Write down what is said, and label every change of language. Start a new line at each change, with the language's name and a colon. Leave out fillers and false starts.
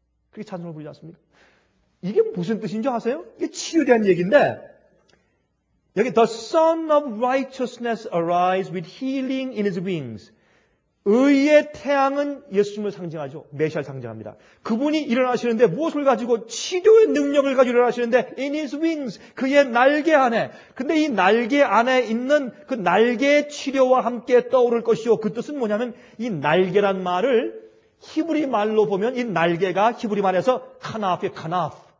Korean: 그게 찬송을 부르지 않습니까? 이게 무슨 뜻인지 아세요?
English: 이게 치유에 대한 얘기인데 여기 The Son of Righteousness arise with healing in his wings.
Korean: 의의 태양은 예수님을 상징하죠. 메시아를 상징합니다. 그분이 일어나시는데 무엇을 가지고 치료의 능력을 가지고 일어나시는데 in his wings, 그의 날개 안에. 근데 이 날개 안에 있는 그 날개의 치료와 함께 떠오를 것이요. 그 뜻은 뭐냐면 이 날개란 말을 히브리 말로 보면 이 날개가 히브리 말에서 카나프의 카나프.